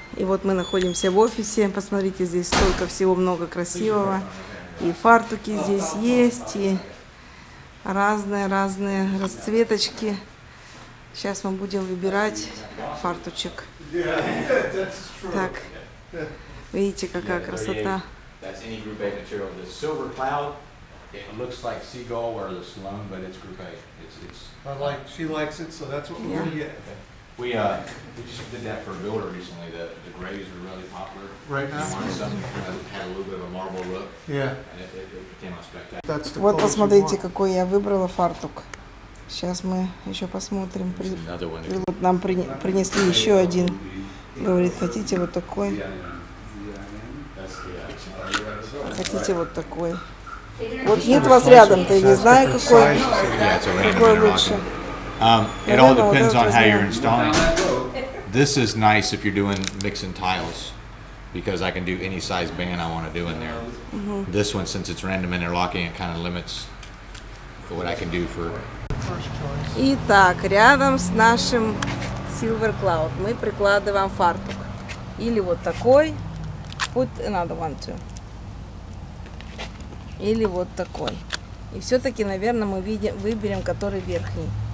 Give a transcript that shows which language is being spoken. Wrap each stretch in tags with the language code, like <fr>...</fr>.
<ru>И вот мы находимся в офисе. Посмотрите, здесь столько всего, много красивого. И фартуки здесь есть, и разные-разные расцветочки. Сейчас мы будем выбирать фартучек. Так, видите, какая красота.</ru> <en>That's any group A material. The Silver Cloud, it looks like seagull or the sloan, but it's group A. She likes it, so that's what we're gonna get. We just did that for a builder recently. The grays are really popular. Right now. We wanted something that had a little bit of a marble look. Yeah. And it became a spectacle. That's the</en> <ru>color. Вот посмотрите, какой я выбрала фартук. Сейчас мы еще посмотрим. Вот нам принесли еще один. Говорит, хотите вот такой? Хотите вот такой? Вот нет вас рядом, то я не знаю, какой, какой лучше.</ru> <en>It all depends on how you're installing. This is nice if you're doing mixing tiles, because I can do any size band I want to do in there. This one, since it's random interlocking, it kind of limits what I can do for.</en> <ru>Итак, рядом с нашим Silver Cloud мы прикладываем фартук, или вот такой.</ru> <en>Put another one too.</en> <ru>Или вот такой. И все-таки, наверное, мы выберем, который верхний.</ru>